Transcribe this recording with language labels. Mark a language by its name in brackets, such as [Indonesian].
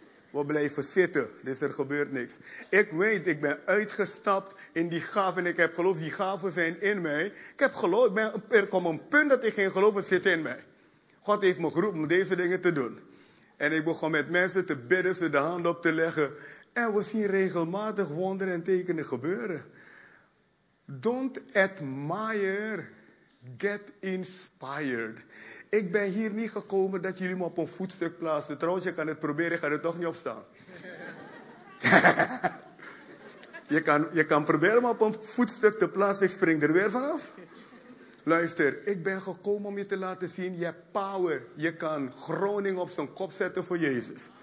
[Dutch] We blijven zitten, dus er gebeurt niks. Ik weet, ik ben uitgestapt in die gaven en ik heb geloof. Die gaven zijn in mij. Ik heb geloof, er komt een punt dat ik geen geloof heb, zit in mij. God heeft me geroepen om deze dingen te doen. En ik begon met mensen te bidden, ze de hand op te leggen. En we zien regelmatig wonderen en tekenen gebeuren. [English] Don't admire, get inspired. [Dutch] Ik ben hier niet gekomen dat jullie me op een voetstuk plaatsen. Trouwens, je kan het proberen, ik ga er toch niet op staan. je kan proberen me op een voetstuk te plaatsen, ik spring er weer vanaf. Luister, ik ben gekomen om je te laten zien, je hebt power. Je kan Groningen op zijn kop zetten voor Jezus.